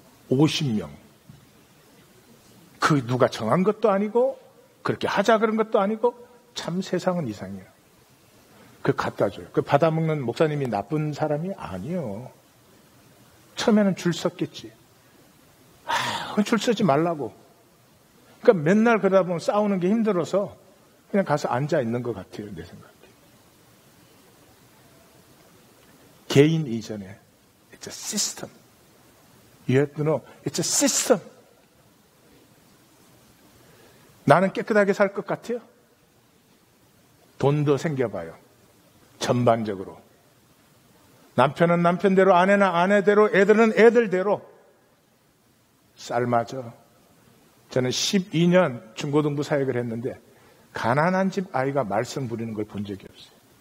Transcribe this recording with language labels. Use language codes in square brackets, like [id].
[ko] 50명. 그 누가 정한 것도 아니고 그렇게 하자 그런 것도 아니고 참 세상은 이상해요. 그 갖다 줘요. 그 받아먹는 목사님이 나쁜 사람이 아니요. 처음에는 줄 섰겠지. 줄 서지 말라고. 그러니까 맨날 그러다 보면 싸우는 게 힘들어서 그냥 가서 앉아 있는 것 같아요. 내 생각에. 개인 이전에 [en] It's a system. You have to know it's a system. [ko] 나는 깨끗하게 살 것 같아요? 돈도 생겨봐요. 전반적으로. 남편은 남편대로, 아내는 아내대로, 애들은 애들대로. 삶아져. 저는 12년 중고등부 사역을 했는데 가난한 집 아이가 말씀 부리는 걸 본 적이 없어요.